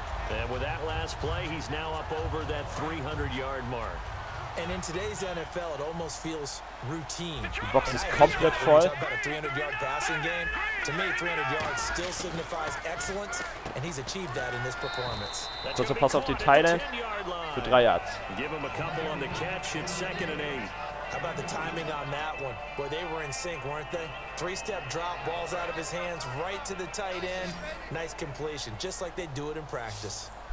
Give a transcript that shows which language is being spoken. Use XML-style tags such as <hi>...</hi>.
<en>And with that last play, he's now up over that 300-yard mark. And in today's NFL, it almost feels routine.</en> <de>Die Box ist komplett voll.</de> <en>About a 300-yard passing game. To me, 300 yards still signifies excellence, and he's achieved that in this performance.</en> <de>Kurzer Pass auf die Tight End für 3 Yards.</de> <en>Give him a couple on the catch at second and 8. How about the timing on that one? Boy, they were in sync, weren't they? Three-step drop, balls out of his hands, right to the tight end. Nice completion, just like they do it in practice.</en>